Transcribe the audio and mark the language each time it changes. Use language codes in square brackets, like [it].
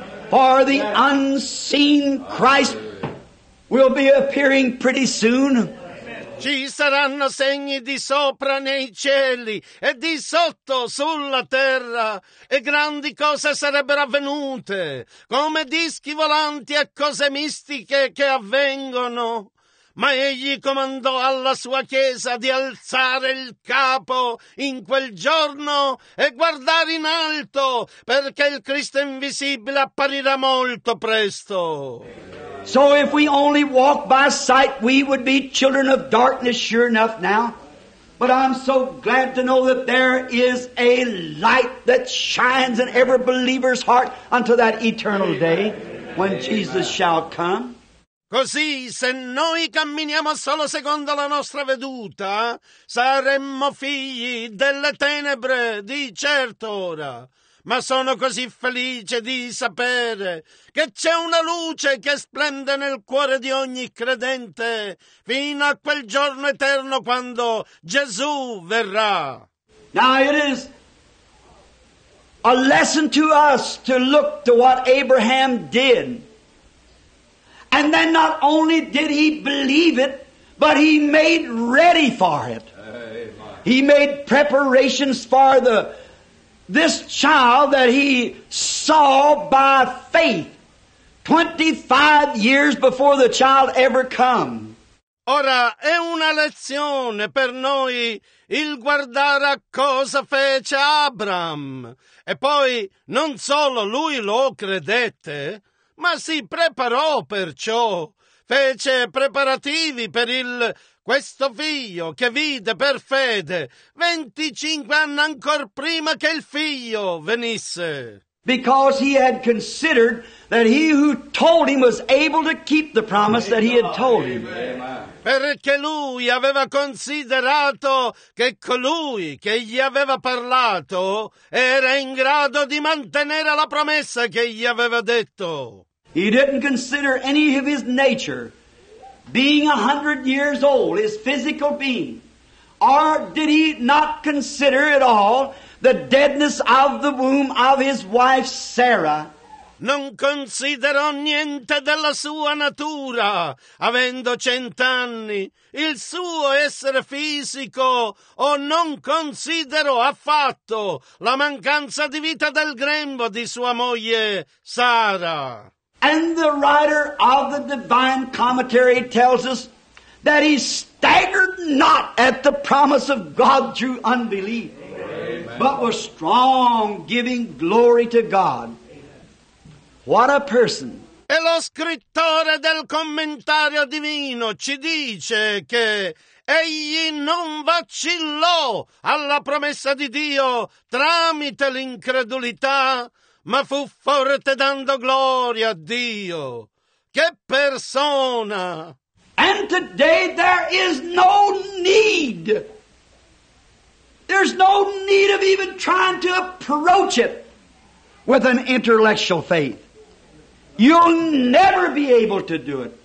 [en] For the unseen Christ will be appearing pretty soon. [it] Ci saranno segni di sopra nei cieli e di sotto sulla terra, e grandi cose sarebbero avvenute, come dischi volanti e cose mistiche che avvengono. Ma egli comandò alla sua chiesa di alzare il capo in quel giorno e guardare in alto, perché il Cristo invisibile apparirà molto presto. [en] So if we only walk by sight, we would be children of darkness, sure enough now. But I'm so glad to know that there is a light that shines in every believer's heart unto that eternal day when Jesus shall come. [it] Così, se noi camminiamo solo secondo la nostra veduta, saremmo figli delle tenebre di certo ora. Ma sono così felice di sapere che c'è una luce che splende nel cuore di ogni credente fino a quel giorno eterno quando Gesù verrà. [en] Now it is a lesson to us to look to what Abraham did. And then not only did he believe it, but he made ready for it. He made preparations for this child that he saw by faith 25 years before the child ever come. [it] Ora è una lezione per noi il guardare a cosa fece Abraham. E poi non solo lui lo credette, ma si preparò perciò, fece preparativi per questo figlio che vide per fede 25 anni ancor prima che il figlio venisse. [en] Because he had considered that he who told him was able to keep the promise that he had told him. [it] Perché lui aveva considerato che colui che gli aveva parlato era in grado di mantenere la promessa che gli aveva detto. [en] He didn't consider any of his nature, being 100 years old, his physical being. Or did he not consider at all the deadness of the womb of his wife Sarah? [it] Non considerò niente della sua natura, avendo 100 anni, il suo essere fisico, o non considerò affatto la mancanza di vita del grembo di sua moglie Sara. [en] And the writer of the Divine Commentary tells us that he staggered not at the promise of God through unbelief, Amen. But was strong, giving glory to God. What a person! [it] E lo scrittore del commentario divino ci dice che egli non vacillò alla promessa di Dio tramite l'incredulità, ma fu forte dando gloria a Dio. Che persona! [en] And today there is no need. There's no need of even trying to approach it with an intellectual faith. You'll never be able to do it.